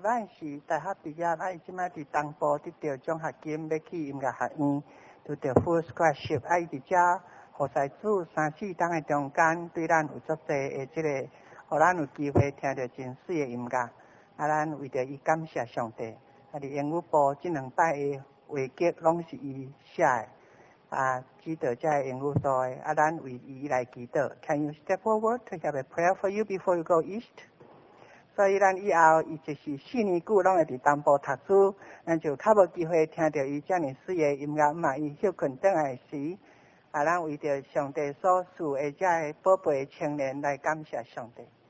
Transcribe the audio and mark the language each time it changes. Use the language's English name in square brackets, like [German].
[Min Nan Chinese] 是大学毕业，啊，伊即摆伫东部得到奖学金，要去音乐学院，拄到 [English] full scholarship， [Min Nan Chinese] 啊，伊伫遮，何在住三四冬的中间，对咱有足济的即个，互咱有机会听到真水的音乐，啊，咱为着伊感谢上帝，啊，伫英语部即两摆的画集拢是伊写的。啊，祈祷在英语所的，啊，咱为伊来祈祷。 [English] Can you step forward to have a prayer for you before you go east？ [Min Nan Chinese] 所以咱以后伊就是四年久拢会伫东部读书，咱就较无机会听到伊遮尼水的音乐嘛。伊休困倒来时，啊，咱为着上帝所赐的遮个宝贝青年来感谢上帝。